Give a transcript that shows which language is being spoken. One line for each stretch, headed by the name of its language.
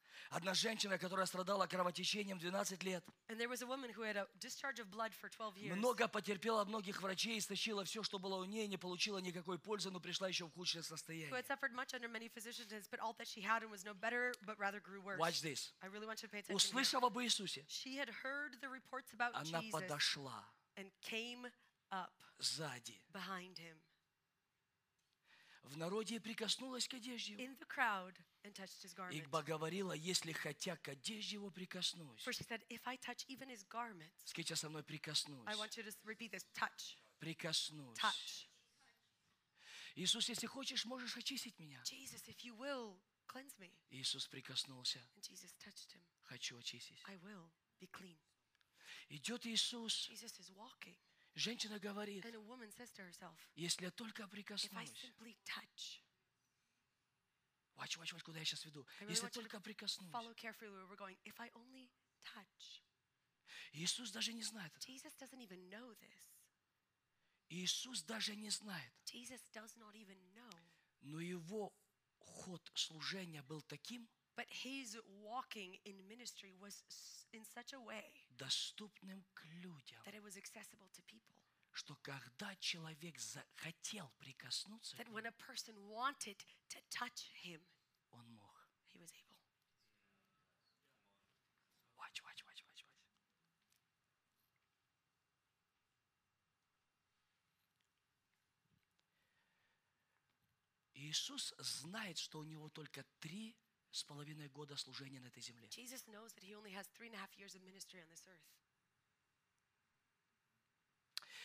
Russian: Одна женщина, которая страдала кровотечением 12 лет.
English: And there was a woman who had a discharge of blood for 12 years. Много потерпела от многих врачей, истощила все, что было у нее, не получила никакой пользы, но пришла еще в худшее состояние. Who had suffered much under many physicians, but all that she had and was no better, but rather grew worse. Watch this. I really want you to pay attention.
Russian: Услышав об Иисусе.
English: She had heard the reports about Jesus.
Russian: Она подошла.
English: And came up.
Russian: Сзади.
English: Behind him.
Russian: В народе прикоснулась к одежде.
English: In the crowd. And touched his garment.
Russian: Ибо говорила, если хотя к одежде его прикоснусь.
English: For she said, if I touch even his garments.
Russian: Скажи со мной прикоснусь.
English: I want you to repeat this. Touch.
Russian: Прикоснусь.
English: Touch.
Russian: Иисус, если хочешь, можешь очистить меня.
English: Jesus, if you will, cleanse me.
Russian: Иисус прикоснулся.
English: And Jesus touched him.
Russian: Хочу очистить.
English: I will be clean.
Russian: Идет Иисус.
English: Jesus is walking.
Russian: Женщина говорит.
English: And a woman says to herself.
Russian: Если я только прикоснусь.
English: If I simply touch. Watch,
Russian: куда я сейчас веду.
English: Really
Russian: если только прикоснусь.
English: Follow carefully where we're going. If I only touch.
Russian: Иисус даже не знает это.
English: Jesus doesn't even know this.
Russian: Иисус даже не знает.
English: Jesus does not even know.
Russian: Но его ход служения был таким.
English: But his walking in ministry was in such a way.
Russian: Доступным к людям.
English: That it was accessible to people.
Russian: Что когда человек захотел прикоснуться
English: that when a person wanted to touch him,
Russian: он мог.
English: He was able. Watch.
Russian: Иисус знает, что у него только 3.5 года служения на этой земле.
English: Jesus knows that he only has 3.5 years of ministry on this earth.